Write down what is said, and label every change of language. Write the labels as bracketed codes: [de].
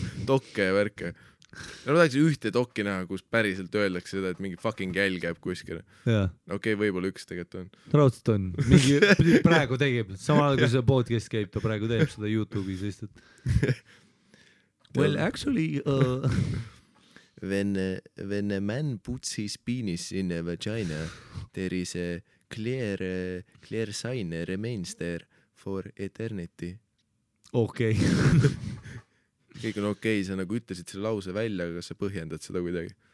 [et] Tokke ja värke. Ja ma tahaksin ühte tokki näha, kus päriselt öeldakse seda, et mingi fucking jälg käib kuskile. Okei, võibolla üks tegelikult on. Raudselt on. Mingi praegu tegeb. Samal ajal, kui see podcast käib, ta praegu teeb seda YouTube'is. Et... [en] Well, actually... when a man puts his penis in a vagina, there is a clear sign remains there for eternity. [et] Okei. Kõik on okei, sa nagu ütlesid selle lause välja, aga kas sa põhjendad seda kuidagi?